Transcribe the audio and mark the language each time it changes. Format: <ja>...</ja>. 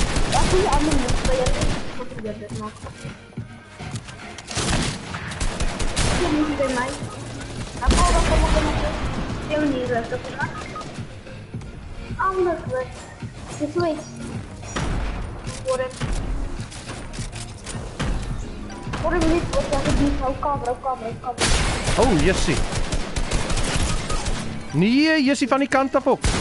<nl>Dat is niet anders, dat je dit moet doen. Ik heb</nl> <en>Sorry, we need to go back to the camera.</en> <nl>Oh, Jesse. Nee, Jesse van die kant af ook.</nl>